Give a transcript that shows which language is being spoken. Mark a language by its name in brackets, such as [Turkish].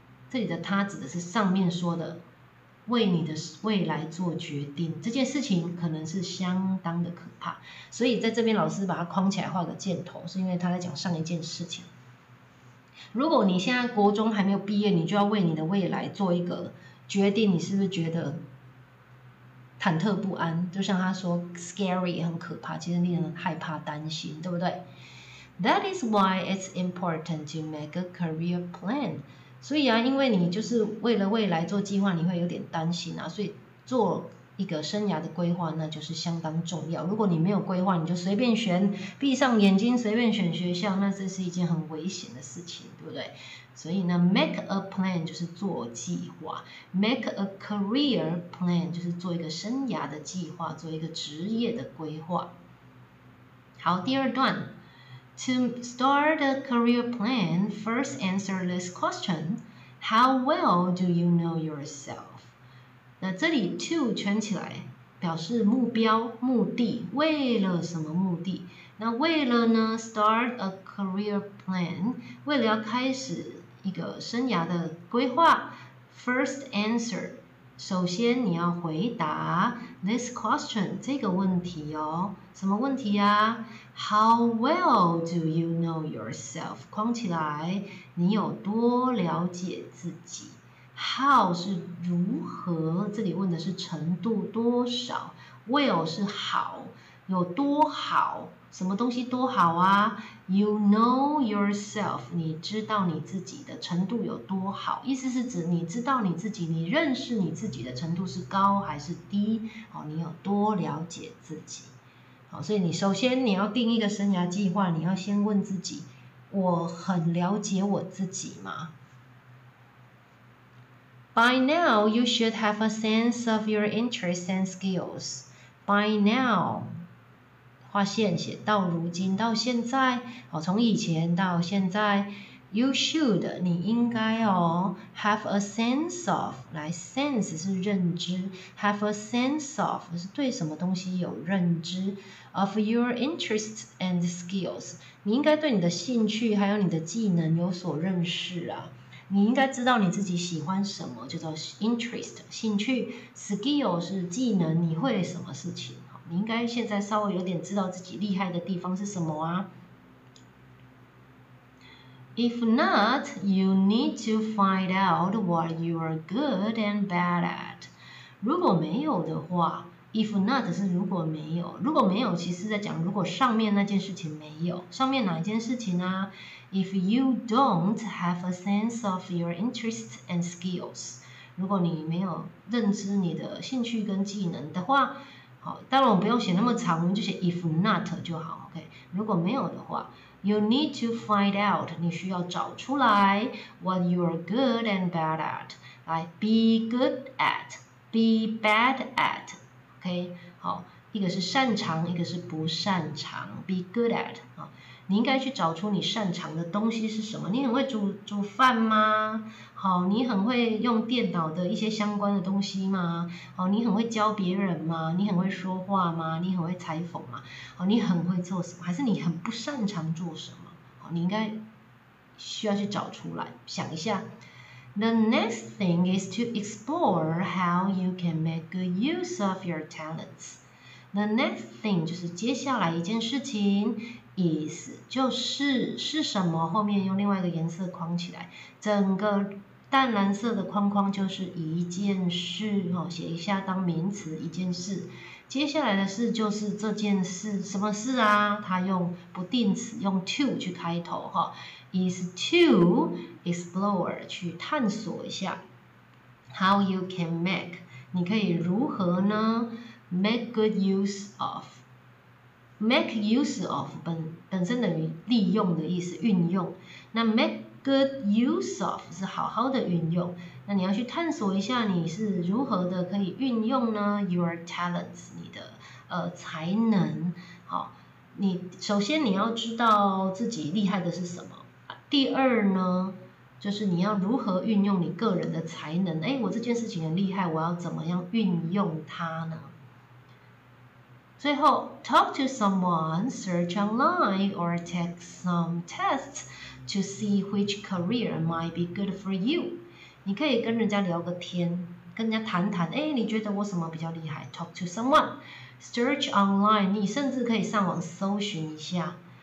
[Chinese] 这里的他指的是上面说的为你的未来做决定，这件事情可能是相当的可怕，所以在这边老师把它框起来画个箭头，是因为他在讲上一件事情。如果你现在国中还没有毕业，你就要为你的未来做一个决定，你是不是觉得忐忑不安？就像他说 scary 很可怕，其实令人害怕担心，对不对？ [English] That is why it's important to make a career plan。 [Chinese] 所以啊，因为你就是为了未来做计划，你会有点担心啊，所以做一个生涯的规划那就是相当重要。如果你没有规划，你就随便选，闭上眼睛随便选学校，那这是一件很危险的事情，对不对？所以呢 [English] make a plan [Chinese] 就是做计划， [English] make a career plan [Chinese] 就是做一个生涯的计划，做一个职业的规划。好，第二段， [English] To start a career plan, first answer this question, How well do you know yourself? [Chinese] 那这里 to 圈起来表示目标、目的，为了什么目的？那为了呢 [English] start a career plan, [Chinese] 为了要开始一个生涯的规划， [English] first answer, [Chinese] 首先你要回答 [English] this question, [Chinese] 这个问题哦。 [English] 什么问题啊？How well do you know yourself? [Chinese] 框起来，你有多了解自己？ How 是如何，这里问的是程度多少， Well 是好，有多好，什么东西多好啊？ [English] You know yourself， [Chinese] 你知道你自己的程度有多好，意思是指你知道你自己，你认识你自己的程度是高还是低，你有多了解自己。好，所以你首先你要定一个生涯计划，你要先问自己，我很了解我自己吗？ [English] By now you should have a sense of your interests and skills. By now [Chinese] 划线写到如今到现在，从以前到现在。 [English] You should, [Chinese] 你应该哦 , [English] have a sense of, [Chinese] 来 sense 是认知 ,have a sense of, 是对什么东西有认知 , [English] of your interests and skills, [Chinese] 你应该对你的兴趣还有你的技能有所认识啊。你应该知道你自己喜欢什么，叫做 interest, 兴趣 ,skill 是技能，你会什么事情，你应该现在稍微有点知道自己厉害的地方是什么啊。 [English] If not, you need to find out what you are good and bad at. [Chinese] 如果没有的话 , [English] if not [Chinese] 是如果没有。如果没有其实在讲如果上面那件事情没有。上面哪一件事情啊 [English] ?If you don't have a sense of your interests and skills. [Chinese] 如果你没有认知你的兴趣跟技能的话，好，当然我们不用写那么长，我们就写 [English] if not [Chinese] 就好 ,OK? 如果没有的话， [English] You need to find out, [Chinese] 你需要找出来 [English] what you are good and bad at. 来 ,be good at, be bad at, OK? [Chinese] 好，一个是擅长，一个是不擅长 , [English] be good at. [Chinese] 好，你应该去找出你擅长的东西是什么。你很会 煮饭吗？好，你很会用电脑的一些相关的东西吗？好，你很会教别人吗？你很会说话吗？你很会采访吗？好，你很会做什么？还是你很不擅长做什么？好，你应该需要去找出来，想一下。 [English] The next thing is to explore how you can make good use of your talents. [Chinese] The next thing 就是接下来一件事情。 Is 就是是什么，后面用另外一个颜色框起来，整个淡蓝色的框框就是一件事，写一下当名词一件事。接下来的事就是这件事，什么事啊？它用不定词，用 to 去开头， [English] is to explore [Chinese] 去探索一下 ， [English] how you can make [Chinese] 你可以如何呢 ？ [English] make good use of。 Make use of [Chinese] 本身等于利用的意思，运用。那 [English] make good use of [Chinese] 是好好的运用。那你要去探索一下你是如何的可以运用呢 ？ [English] Your talents， [Chinese] 你的才能。好，你首先你要知道自己厉害的是什么。第二呢，就是你要如何运用你个人的才能。哎，我这件事情很厉害，我要怎么样运用它呢？最后 [English] ,talk to someone, search online, or take some tests to see which career might be good for you. [Chinese] 你可以跟人家聊个天，跟人家谈谈，哎，你觉得我什么比较厉害 ? [English] talk to someone, search online, [Chinese] 你甚至可以上网搜寻一下。